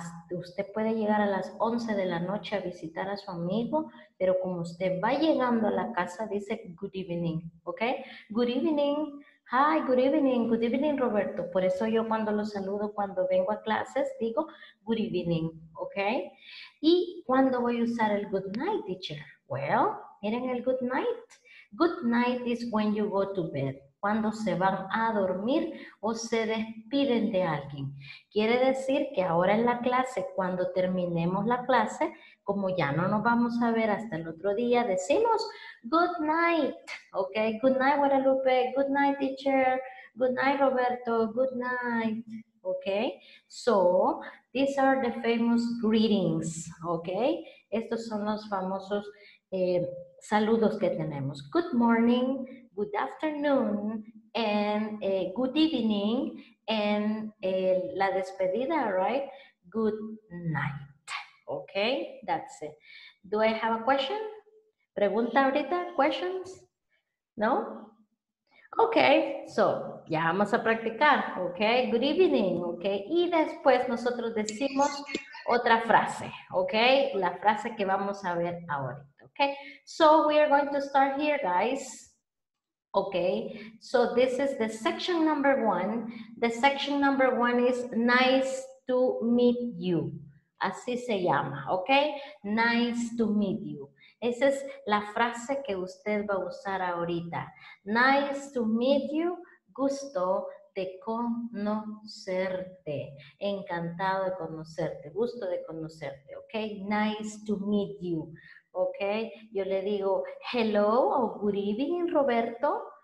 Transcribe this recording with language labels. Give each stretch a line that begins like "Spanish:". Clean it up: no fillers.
Spanish: Usted puede llegar a las 11 de la noche a visitar a su amigo, pero como usted va llegando a la casa, dice
English: good evening, ok, good evening. Hi, good evening,
Spanish: Roberto. Por eso yo cuando lo saludo, cuando vengo a clases, digo good evening, ¿ok? ¿Y cuándo voy a usar el
English: good night,
Spanish: teacher?
English: Well,
Spanish: miren el
English: good night. Good night is when you go to bed.
Spanish: Cuando se van a dormir o se despiden de alguien. Quiere decir que ahora en la clase, cuando terminemos la clase, como ya no nos vamos a ver hasta el otro día, decimos
English: good night, ok, good night
Spanish: Guadalupe, good night teacher, good night Roberto, good night, ok.
English: So, these are the famous greetings, ok.
Spanish: Estos son los famosos saludos que tenemos.
English: Good morning, good afternoon, and good evening, and
Spanish: la despedida,
English: right? Good night. Okay, that's it. Do I have a question?
Spanish: ¿Pregunta ahorita?
English: ¿Questions? No?
Spanish: Okay, so, ya vamos a practicar.
English: Okay, good evening.
Spanish: Okay, y después nosotros decimos otra frase. Okay, la frase que vamos a ver ahorita.
English: Okay, so we are going to start here, guys. Okay, so this is the section number one. The section number one is nice to meet you.
Spanish: Así se llama,
English: okay? Nice to meet you.
Spanish: Esa es la frase que usted va a usar ahorita.
English: Nice to meet you.
Spanish: Gusto de conocerte. Encantado de conocerte. Gusto de conocerte, okay?
English: Nice to meet you. Okay,
Spanish: yo le digo
English: hello o good evening, Roberto.